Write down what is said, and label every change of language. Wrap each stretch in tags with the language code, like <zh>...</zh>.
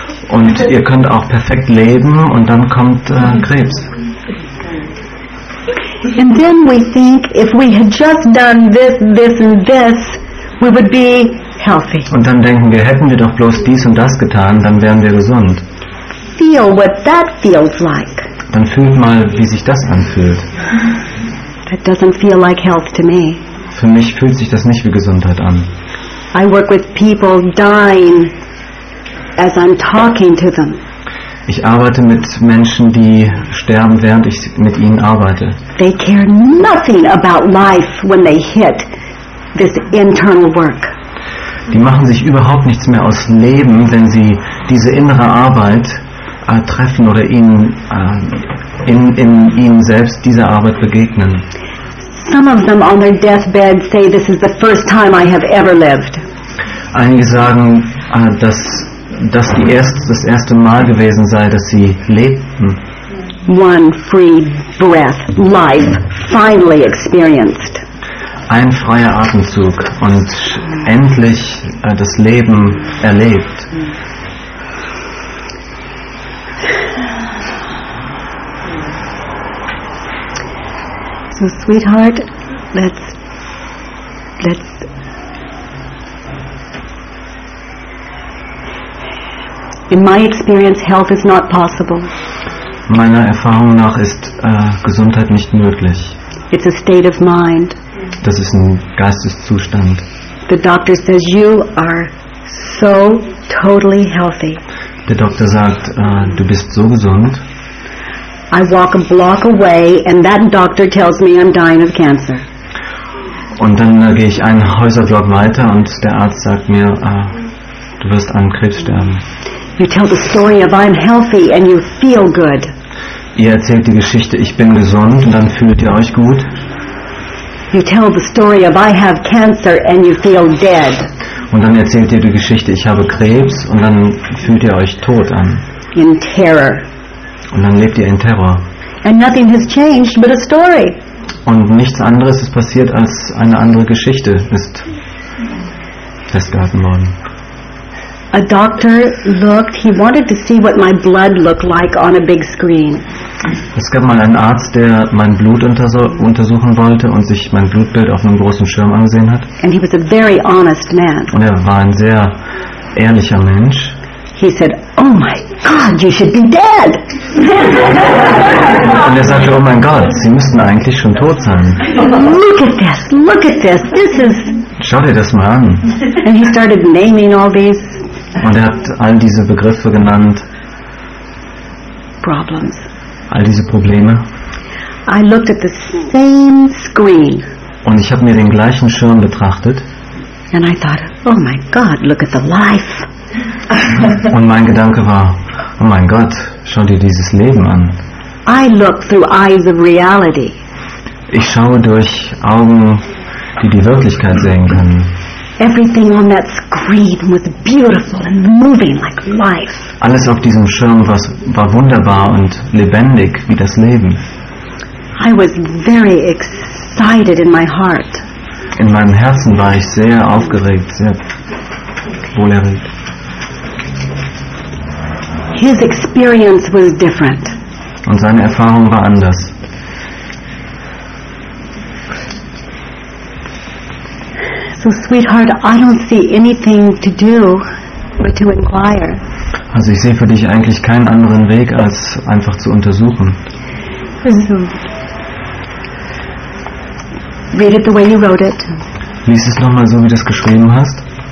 <de>Und ihr könnt auch perfekt leben und dann kommt Krebs.</de> <en>And then we think if we had just done this, this and this, we would be healthy.</en> <de>Und dann denken wir, hätten wir doch bloß dies und das getan, dann wären wir gesund.</de> <en>Feel what that feels like.</en> <de>Dann fühlt mal, wie sich das anfühlt.</de> <en>That doesn't feel like health to me.</en> <de>Für mich fühlt sich das nicht wie Gesundheit an.</de> <en>I work with people dying as I'm talking to them.</en> <de>Ich arbeite mit Menschen, die sterben, während ich mit ihnen arbeite.</de> <en>They care nothing about life when they hit this internal work.</en> <de>Die machen sich überhaupt nichts mehr aus Leben, wenn sie diese innere Arbeit treffen oder ihnen in ihnen selbst dieser Arbeit begegnen.</de> <en>Some of them on their deathbed say this is the first time I have ever lived.</en> <de>Einige sagen, dass das erste Mal gewesen sei, dass sie lebten.</de> <en>One free breath, life finally experienced.</en> <de>Ein freier Atemzug und endlich das Leben erlebt.</de> <en>So, sweetheart, let's. In my experience, health is not possible.</en> <de>Meiner Erfahrung nach ist Gesundheit nicht möglich.</de> <en>It's a state of mind.</en> <de>Das ist ein Geisteszustand.</de> <en>The doctor says you are so totally healthy.</en> <de>Der Doktor sagt, du bist so gesund.</de> <en>I walk a block away and that doctor tells me I'm dying of cancer.</en> <de>Und dann gehe ich einen Häuserblock weiter und der Arzt sagt mir, du wirst an Krebs sterben.</de> <en>You tell the story of I'm healthy and you feel good.</en> <de>Ihr erzählt die Geschichte, ich bin gesund und dann fühlt ihr euch gut.</de> <en>You tell the story of I have cancer and you feel dead.</en> <de>Und dann erzählt ihr die Geschichte, ich habe Krebs und dann fühlt ihr euch tot an.</de> <en>In terror.</en> <de>Und dann lebt ihr in Terror.</de> <en>And nothing has changed but a story.</en> <de>Und nichts anderes ist passiert, als eine andere Geschichte ist festgehalten worden.</de> <en>A doctor looked, he wanted to see what my blood looked like on a big screen.</en> <de>Es gab mal einen Arzt, der mein Blut untersuchen wollte und sich mein Blutbild auf einem großen Schirm angesehen hat.</de> <en>And he was a very honest man.</en> <de>Und er war ein sehr ehrlicher Mensch.</de> <en>He said, "Oh my God, you should be dead."</en> <de>Und er sagte, "Oh mein Gott, Sie müssten eigentlich schon tot sein."</de> <en>Look at this. Look at this. This is.</en> <de>Schau dir das mal an.</de> <en>And he started naming all these.</en> <de>Und er hat all diese Begriffe genannt.</de> <en>Problems.</en> <de>All diese Probleme.</de> <en>I looked at the same screen.</en> <de>Und ich habe mir den gleichen Schirm betrachtet.</de> <en>And I thought, "Oh my God, look at the life."</en> <de>Und mein Gedanke war, oh mein Gott, schau dir dieses Leben an.</de> <en>I look through eyes of reality.</en> <de>Ich schaue durch Augen die die Wirklichkeit sehen können.</de> <en>Everything on that screen was beautiful and moving like life.</en> <de>Alles auf diesem Schirm war wunderbar und lebendig wie das Leben.</de> <en>I was very excited in my heart.</en> <de>In meinem Herzen war ich sehr aufgeregt, sehr wohlerregt.</de> <en>His experience was different.</en> <de>Und seine Erfahrung war anders.</de> <en>So, sweetheart, I don't see anything to do but to inquire.</en> <de>Also ich sehe für dich eigentlich keinen anderen Weg als einfach zu untersuchen.</de> <en>Read it the way you wrote it.</en> <de>Lies es nochmal so, wie du es geschrieben hast.</de>